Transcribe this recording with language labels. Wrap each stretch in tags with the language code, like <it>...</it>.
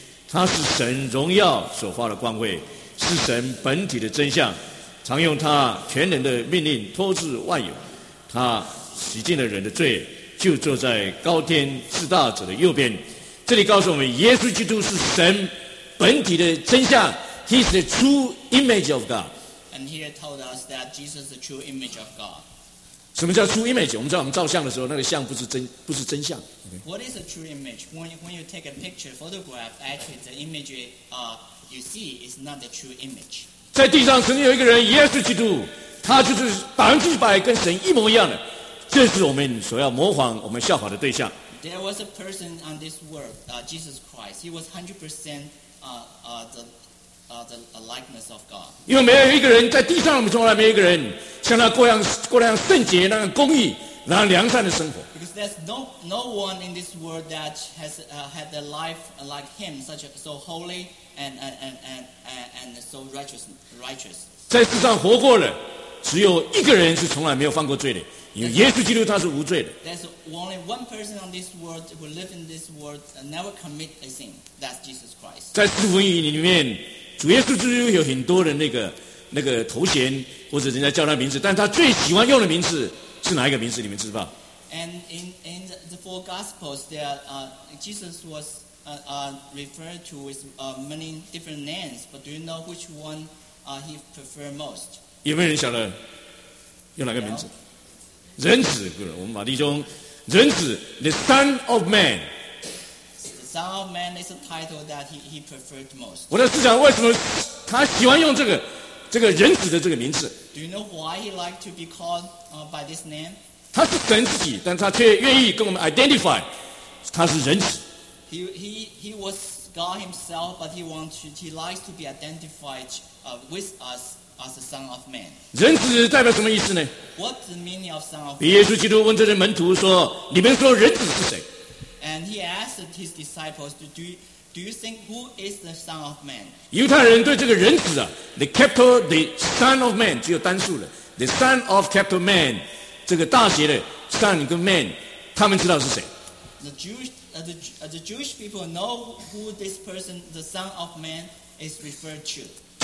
<zh>他是神荣耀所发的光辉，是神本体的真相，常用他全能的命令托至万有。他洗净了人的罪，就坐在高天至大者的右边。这里告诉我们，耶稣基督是神本体的真相。</zh> <en>He is the true image of God. And here told us that Jesus is the true image of God.</en> <zh>什么叫</zh> <en>true image？</en> <zh>我们知道，我们照相的时候，那个像不是真相。</zh> <en>Okay. What is a true image? When you take a picture, photograph, actually the image you see is not the true image.</en> <zh>在地上曾经有一个人，耶稣基督，他就是百分之百跟神一模一样的。这是我们所要模仿、我们效法的对象。</zh> <en>There was a person on this world, Jesus Christ. He was 100% the likeness of God.</en> <zh>因为没有一个人在地上，我们从来没有一个人像他过那样圣洁、那样公义、那样良善的生活。</zh> <en>Because there's no one in this world that has had a life like him, such so holy and so righteous.</en> <zh>在世上活过了，只有一个人是从来没有犯过罪的。因为耶稣基督他是无罪的。</zh> <en>There's only one person on this world who lived in this world and never commit a sin. That's Jesus Christ.</en> <zh>在四福音里面，主耶稣基督有很多的那个头衔或者人家叫他名字，但他最喜欢用的名字是哪一个名字？你们知道</zh> <en>？And in the four Gospels, there Jesus was referred to with many different names. But do you know which one he preferred most?</en> <zh>有没有人晓得用哪个名字？人子，我们马弟兄，人子 ，</zh> <en>the Son of Man。 The Son of Man is a title that he preferred most。</en> <zh>我在思想为什么他喜欢用这个人子的这个名字</zh> <en>？Do you know why he liked to be called by this name？</en> <zh>他是神自己，但他却愿意跟我们 identify， 他是人子。</zh> <en>He was God himself, but he likes to be identified with us as the Son of Man.</en> <zh>人子代表什么意思呢？</zh> <en>What's the meaning of Son of</en> <zh>Man? 耶稣基督问这些门徒说：“你们说人子是谁？”</zh> <en>And he asked his disciples, Do you think who is the Son of Man?</en> <zh>犹太人对这个人子啊 ，</zh> <en>the capital the Son of Man</en> <zh>只有单数了 ，</zh> <en>the Son of capital Man</en> <zh>这个大写的 Son 跟 Man， 他们知道是谁。</zh> <en>The Jewish people know who this person, the Son of Man, is referred to.</en>